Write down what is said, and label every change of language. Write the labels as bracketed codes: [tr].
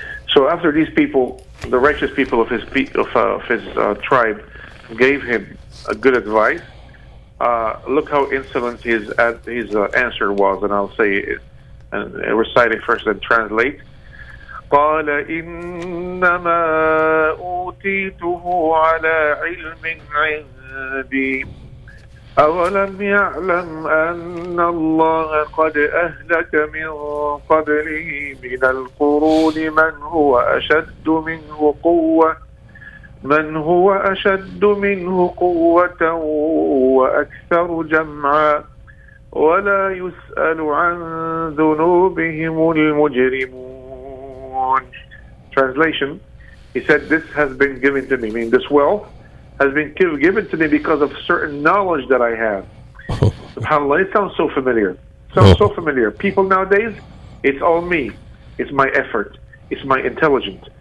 [en] So after these people, the righteous people of his tribe gave him a good advice, look how insolent his answer was, and I'll say it and recite it first and translate. [ar] قال إنما أوتيته على علم عندي أولم يعلم أن الله قد أهلك من قبله من القرون من هو أشد منه قوة وأكثر جمعا ولا يسأل عن ذنوبهم المجرمون. [en] Translation, he said, this has been given to me, meaning this wealth has been given to me because of certain knowledge that I have. SubhanAllah, it sounds so familiar. People nowadays, it's all me. It's my effort. It's my intelligence.